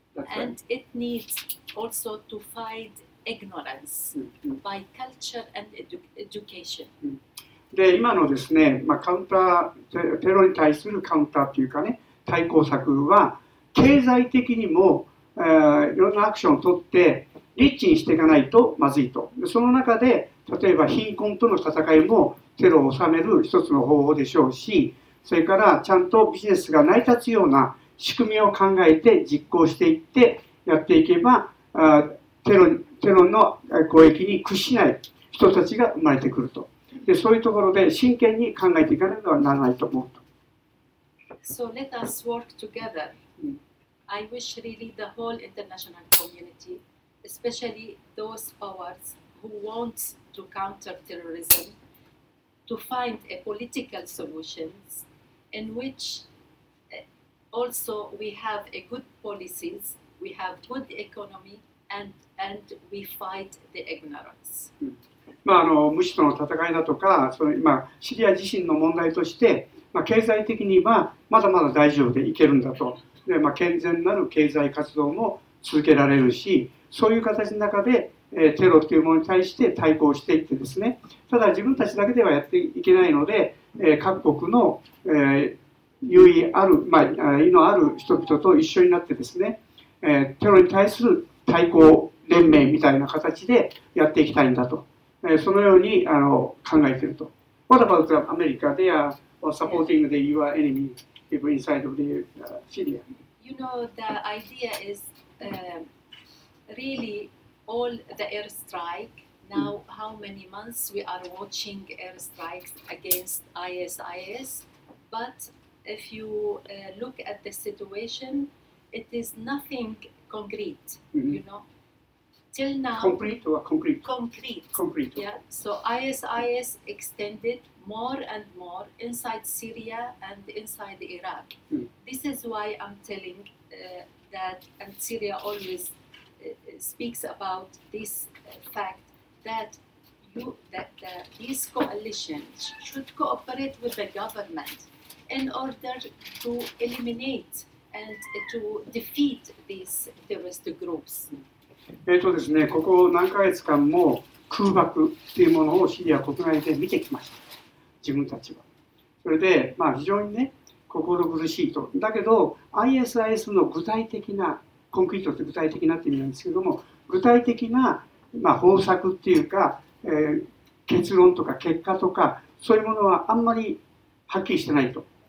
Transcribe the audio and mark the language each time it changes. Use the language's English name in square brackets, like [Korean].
[English] And it needs also to fightignorance by culture and education. [Japanese] で今のですね、まあ、カウンターテロに対するカウンターというかね対抗策は経済的にも、いろんなアクションを取ってリッチにしていかないとまずいとでその中で例えば貧困との戦いもテロを収める一つの方法でしょうしそれからちゃんとビジネスが成り立つような仕組みを考えて実行していってやっていけばテロの攻撃に屈しない人たちが生まれてくると。で、そういうところで真剣に考えていかなければならないと思うと。 [English] So let us work together. I wish really the whole international community, especially those powers who want to counter terrorism, to find a political solution in which also we have a good policies, we have good economy, and we fight the ignorance. [Japanese] まあ、武士との戦いだとか、その今シリア自身の問題として、まあ、経済的にはまだまだ大丈夫でいけるんだと。で、まあ、健全なる経済活動も続けられるし、そういう形の中で、テロというものに対して対抗していってですね、ただ自分たちだけではやっていけないので、各国の、有意ある、まあ、意のある人々と一緒になってですね、テロに対する対抗連盟みたいな形でやっていきたいんだと、そのように考えていると。 [English] What about America? They are supporting the your enemy inside of the Syria. You know, the idea is really all Arab airstrike. Now, how many months we are watching airstrikes against ISIS, but if you look at the situation, it is nothing concrete,、mm-hmm. you know, till now. Concrete or concrete? Concrete. Concrete. Yeah, so ISIS extended more and more inside Syria and inside Iraq.、Mm. This is why I'm telling that, and Syria always speaks about this fact,that this coalition should cooperate with the government in order to eliminate and to defeat these terrorist groups. [Japanese] ですね、ここ何ヶ月間も空爆というものをシリア国内で見てきました。自分たちは。それで、まあ、非常にね、心苦しいと。だけど、ISIS の具体的な、コンクリートって具体的なって意味なんですけども、具体的なまあ、方策っていうか、結論とか結果とかそういうものはあんまりはっきりしてないと。